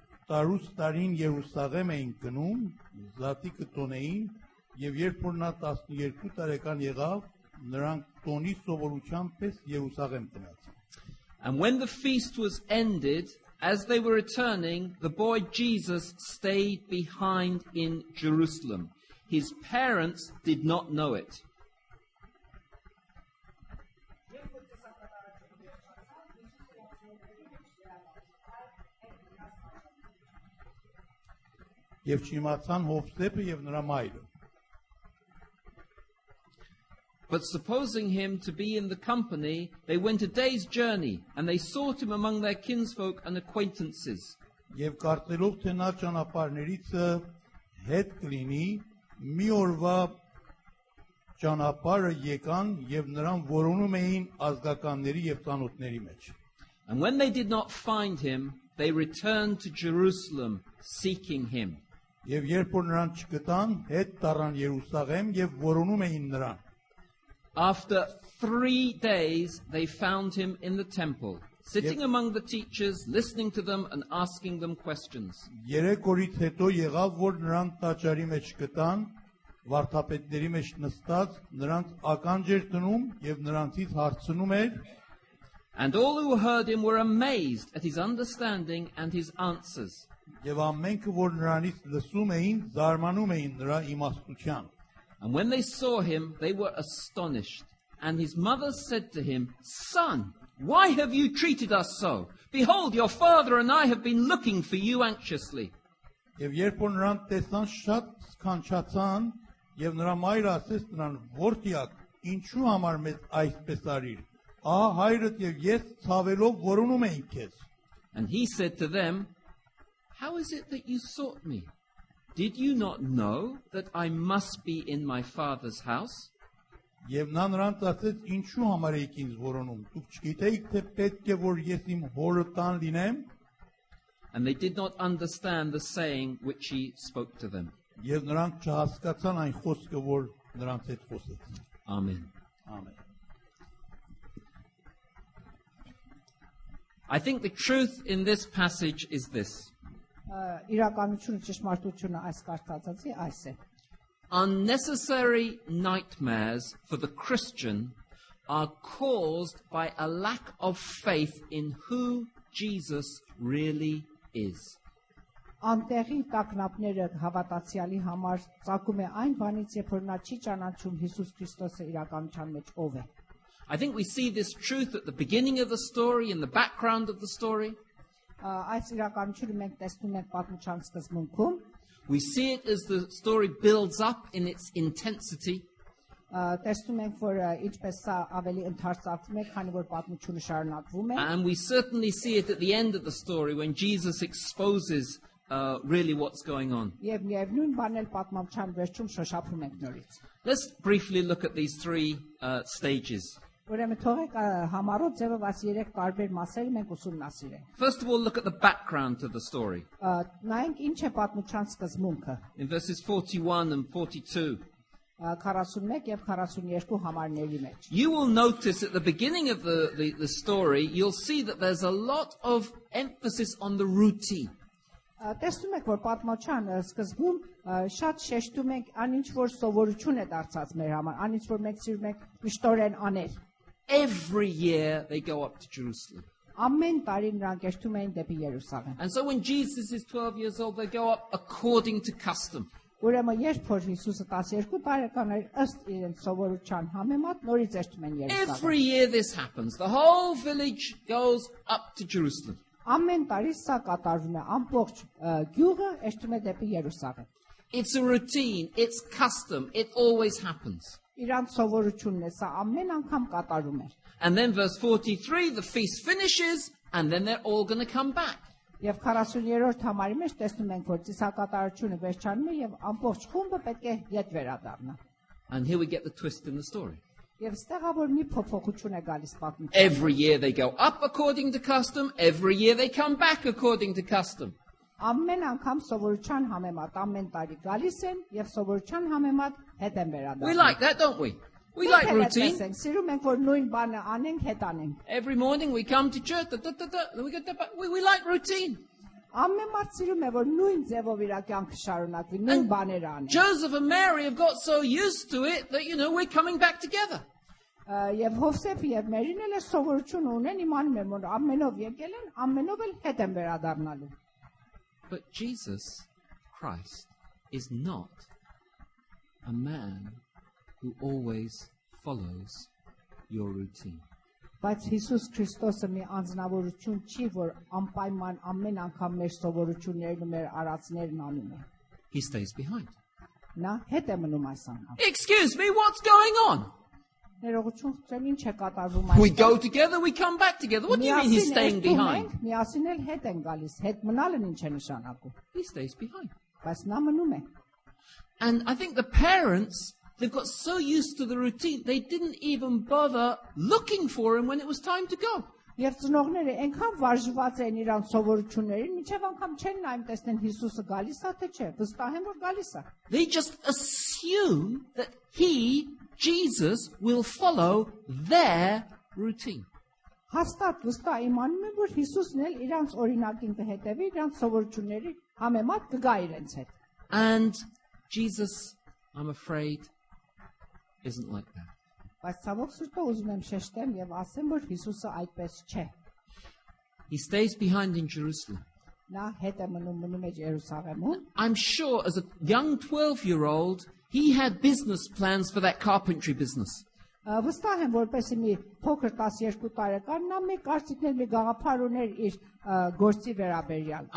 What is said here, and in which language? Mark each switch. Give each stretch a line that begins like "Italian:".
Armenian: Տարուց տարին Երուսաղեմ էին գնում, զատիկը տոնեին, եւ երբ որ նա 12 տարեկան եղավ, նրանք տոնի սովորության պես Երուսաղեմ տնացին։
English: And when the feast was ended, as they were returning, the boy Jesus stayed behind in Jerusalem. His parents did not know it.
Armenian: Եվ չիմացան Հովսեփը եւ նրա մայրը։
English: But supposing him to be in the company, they went a day's journey and they sought him among their kinsfolk and acquaintances.
Armenian: Եվ կարծելով թե նա ճանապարհներիցը հետ կլինի, մի օրվա ճանապարհը եկան եւ նրան որոնում էին ազգականների եւ ծանոթների մեջ։
English: And when they did not find him, they returned to Jerusalem seeking him.
Armenian: Եվ երբ որ նրան չգտան, հետ տարան Երուսաղեմ եւ որոնում էին նրան։
English: After 3 days they found him in the temple, sitting among the teachers, listening to them and asking them questions.
Armenian: Երեք օրից հետո եղավ, որ նրան տաճարի մեջ գտան, վարդապետների մեջ նստած, նրանց ականջ էր դնում եւ նրանցից հարցնում էր.
English: And all who heard him were amazed at his understanding and his answers.
Armenian: Եվ ամենքը որ նրանից լսում էին զարմանում էին նրա իմաստությամբ.
English: And when they saw him they were astonished and his mother said to him son why have you treated us so behold your father and I have been looking for you anxiously.
Armenian: Եվ երբ որ նրան տեսան շատ սքանչացան եւ նրա մայրը ասեց նրան որդիակ ինչու համար մեզ այսպես արիր ահ հայրդ եւ ես ցավելով որոնում ենք քեզ.
English: And he said to them how is it that you sought me? Did you not know that I must be in my father's house?
Armenian: Եվ նա նրանց ասաց ինչու համար եք ինձ որոնում դուք չգիտեիք թե պետք է որ ես իմ հորը տան լինեմ?
English: And they did not understand the saying which he spoke to them.
Armenian: Եվ նրանք չհասկացան այն խոսքը որ նրանց հետ խոսեց.
English: Amen. Amen. I think the truth in this passage is this.
Armenian: Իրականությունը ճշմարտությունը այս կարծածածի այս է.
English: Unnecessary nightmares for the Christian are caused by a lack of faith in who Jesus really is.
Armenian: Անտեղի տակնապները հավատացյալի համար ծագում է այն բանից, երբ որ նա չի ճանաչում Հիսուս Քրիստոսը իրականության մեջ ով է.
English: I think we see this truth at the beginning of the story in the background of the story.
Armenian: Այս իրականությունը մենք տեսնում ենք պատմության սկզբունքում.
English: We see it as the story builds up in its intensity.
Armenian: Տեսնում ենք, որ ինչպես սա ավելի ընդարձակվում է, քանի որ պատմությունը շարունակվում է.
English: And we certainly see it at the end of the story when Jesus exposes really what's going on.
Armenian: Եվ միևնույն բանն է, պատմության վերջում շոշափում ենք նորից.
English: Let's briefly look at these three stages.
Armenian: Ուրեմն թողեք համառոտ ձևով այս երեք տարբեր մասերը մենք ուսումնասիրենք։
English: First of all, look at the background to the story.
Armenian: Նայենք ինչ է պատմության սկզբունքը։
English: In verses 41 and 42.
Armenian: 41 եւ 42 համարների մեջ։
English: You will notice at the beginning of the story, you'll see that there's a lot of emphasis on the routine.
Armenian: Տեսնում եք, որ պատմության սկզբում շատ շեշտում ենք այն ինչ որ սովորություն է դարձած մեր համար, այն ինչ որ մենք սիրում ենք միշտորեն անել։
English: Every year they go up to Jerusalem.
Armenian: Ամեն տարի նրանք երթում էին դեպի Երուսաղեմ։
English: And so when Jesus is 12 years old they go up according to custom.
Armenian: Ուրեմն երբ որ Հիսուսը 12 տարեկան էր ըստ իրենց սովորության համեմատ նորից երթում են Երուսաղեմ։
English: Every year this happens. The whole village goes up to Jerusalem.
Armenian: Ամեն տարի սա կատարվում է ամբողջ գյուղը երթում է դեպի Երուսաղեմ։
English: It's a routine, it's custom, it always happens.
Armenian: Իրան սովորությունն է, սա ամեն անգամ կատարում է։
English: And then verse 43, the feast finishes and then they're all going to come back.
Armenian: Եվ 43-րդ համարի մեջ տեսնում ենք, որ ծիսակատարությունը վերջանում է եւ ամբողջ խումբը պետք է յետ վերադառնա։
English: And here we get the twist in the story.
Armenian: Եվ ստեղ ավոր մի փոփոխություն է գալիս պատմության։
English: Every year they go up according to custom, every year they come back according to custom.
Armenian: Ամեն անգամ սովորության համեմատ ամեն տարի գալիս են եւ սովորության համեմատ հետ են վերադառնում։
English: We like that, don't we? We like routine.
Armenian: Սիրում ենք, որ նույն բանը անենք, հետ անենք։
English: Every morning we come to church, we like routine.
Armenian: Ամեն մարդ սիրում է, որ նույն ձևով իր կյանքը շարունակվի, նույն բաները անի։
English: Joseph and Mary have got so used to it that you know we're coming back together.
Armenian: Եվ Հովսեփը եւ Մարին էլ սովորություն ունեն, իմանում են, որ ամենով եկել են, ամենով էլ հետ են վերադառնալու։
English: But Jesus Christ is not a man who always follows your routine.
Armenian: Բայց Հիսուս Քրիստոսը մի անձնավորություն չի, որ անպայման ամեն անգամ մեր սովորություններն ու մեր արածներն անում է։
English: He stays behind.
Armenian: Նա հետ է մնում այս անգամ։
English: Excuse me, what's going on?
Armenian: Ներողություն խնդրեմ, ինչ է կատարվում այս։
English: We go together, we come back together. What do you mean he's staying behind?
Armenian: Միասին էլ հետ են գալիս, հետ մնալն ինչ է նշանակում։
English: He stays behind.
Armenian: Բայց նա մնում է։
English: And I think the parents, they've got so used to the routine, they didn't even bother looking for him when it was time to go.
Armenian: Եվ ծնողները այնքան վարժված են իրան սովորություններին, մինչև անգամ չեն նայում տեսնեն Հիսուսը գալիս է թե չէ, վստահ են որ գալիս է։
English: They just assume that he, Jesus, will follow their routine.
Armenian: Հաստատ վստահ իմանում են որ Հիսուսն էլ իրանց օրինակին կհետևի, իրանց սովորությունների համեմատ կգա իրենց հետ։
English: And Jesus, I'm afraid, isn't like that.
Armenian: Բայց ցավոք սուրտը ուզում եմ շեշտեմ եւ ասեմ, որ Հիսուսը այդպես չէ։
English: He stays behind in Jerusalem.
Armenian: Նա հետ է մնում Երուսաղեմում։
English: I'm sure as a young 12-year-old he had business plans for that carpentry business.
Armenian: Վստահ եմ, որպես մի փոքր 12 տարեկան նա մի կարծիքներ մի գաղափար ուներ իր գործի վերաբերյալ։